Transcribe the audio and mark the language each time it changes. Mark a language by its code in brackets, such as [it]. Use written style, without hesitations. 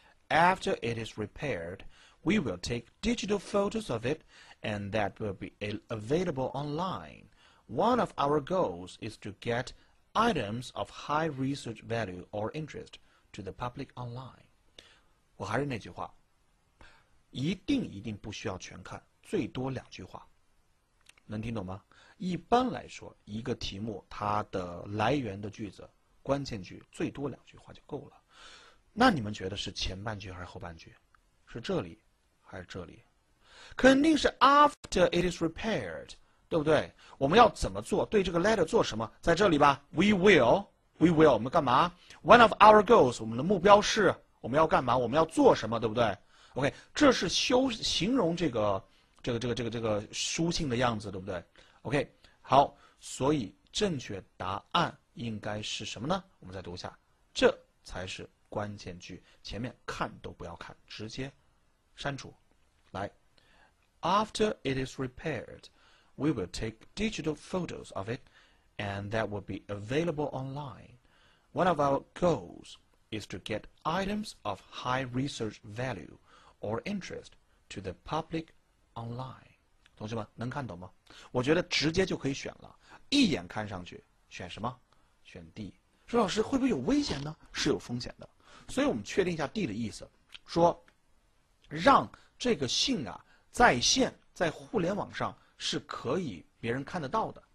[en] After it is repaired, we will take digital photos of it, and that will be available online. One of our goals is to get items of high research value or interest to the public online. [zh] 我还是那句话，一定一定不需要全看，最多两句话，能听懂吗？一般来说，一个题目它的来源的句子关键句最多两句话就够了。那你们觉得是前半句还是后半句？是这里还是这里？肯定是 [en] after it is repaired， [zh] 对不对？我们要怎么做？对这个 letter 做什么？在这里吧。We will 我们干嘛？ One of our goals 我们的目标是，我们要干嘛？我们要做什么？对不对？ OK， 这是形容这个书信的样子，对不对？ OK， 好，所以正确答案应该是什么呢？我们再读一下，这才是关键句，前面看都不要看，直接删除。 [en] 来， After it is repairedWe will take digital photos of it, and that will be available online. One of our goals is to get items of high research value or interest to the public online. [zh] 同学们，能看懂吗？我觉得直接就可以选了，一眼看上去，选什么？选 D。说老师，会不会有危险呢？是有风险的。所以我们确定一下 D 的意思，说让这个信啊，在线，在互联网上是可以别人看得到的。